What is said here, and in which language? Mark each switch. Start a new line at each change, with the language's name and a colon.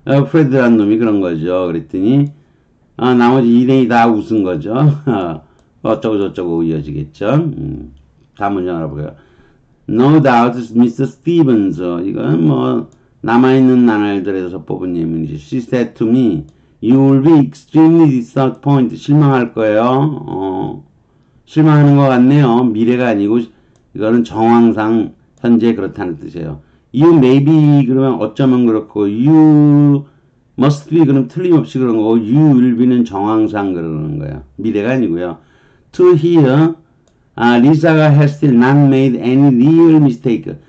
Korean: 프레드란 놈이 그런 거죠. 그랬더니 나머지 일행이 다 웃은 거죠. 어쩌고저쩌고 이어지겠죠. 다음 문장 알아볼게요.
English: No doubt, Mr. Stevens.
Korean: 이건 뭐, 남아있는 나날들에서 뽑은 예문이지.
English: She said to me, You will be extremely disappointed.
Korean: 실망할 거예요. 실망하는 것 같네요. 미래가 아니고, 이거는 정황상 현재 그렇다는 뜻이에요.
English: You may be,
Korean: 그러면 어쩌면 그렇고,
English: You must be,
Korean: 그럼 틀림없이 그런 거고,
English: You will be
Korean: 는 정황상 그러는 거예요. 미래가 아니고요.
English: To hear,
Korean: 아, 리사가
English: has still not made any real mistake.